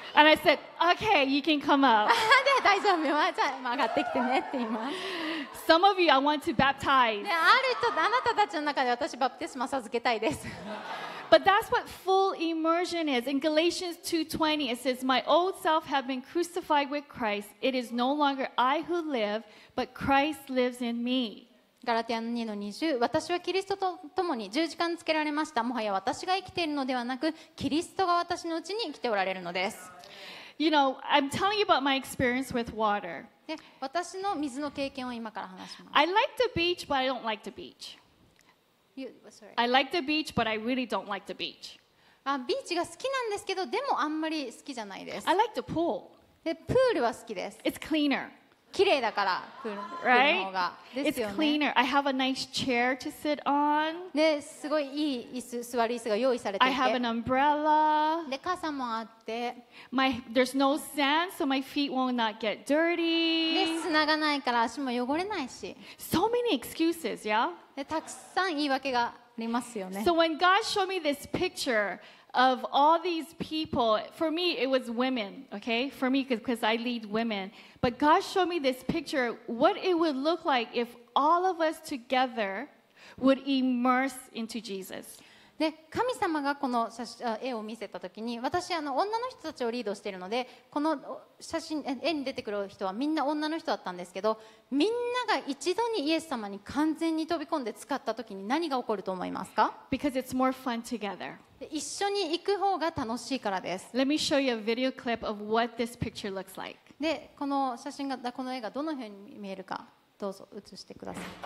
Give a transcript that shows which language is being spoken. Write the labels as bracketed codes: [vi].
[en] And I said, okay, you can come up. [ja] で、大丈夫よ。じゃあ、上がってきてねって言います。 [en] Some of you, I want to baptize. [ja] で、ある人、あなたたちの中で私、バプテスマ授けたいです。 [en] But that's what full immersion is. In Galatians 2:20, it says, My old self have been crucified with Christ. It is no longer I who live, but Christ lives in me. [ja] ガラティア 2-20 私はキリストと共に十字架につけられました。もはや私が生きているのではなく、キリストが私のうちに生きておられるのです。 [en] You know, I'm telling you about my experience with water. [ja] で、私の水の経験を今から話します。 [en] I like the beach, but I don't like the beach. I like the beach, but I really don't like the beach. [ja] あ、ビーチが好きなんですけど、でもあんまり好きじゃないです。 [en] I like the pool. [ja] で、プールは好きです。 [en] It's cleaner. [ja] 綺麗だからプールの方が、 [en] right? [ja] ですよね。 [en] It's cleaner. I have a nice chair to sit on. [ja] で、すごいいい椅子、座る椅子が用意されていて。 [en] I have an umbrella. [ja] で、傘もあって。 [en] There's no sand, so my feet will not get dirty. [ja] で、砂がないから足も汚れないし。 [en] So many excuses, yeah? [ja] で、たくさん言い訳がありますよね。 [en] So when God showed me this picture. Of all these people, for me it was women, okay? For me, because I lead women. But God showed me this picture, what it would look like if all of us together would immerse into Jesus. [ja] で、神様がこの写真、絵を見せた時に、私あの女の人たちをリードしているので、この写真、絵に出てくる人はみんな女の人だったんですけど、みんなが一度にイエス様に完全に飛び込んで使った時に何が起こると思いますか? [en] Because it's more fun together. [ja] 一緒に行く方が楽しいからです。 [en] Let me show you a video clip of what this picture looks like. [ja] で、この写真が、この絵がどのように見えるか、どうぞ映してください。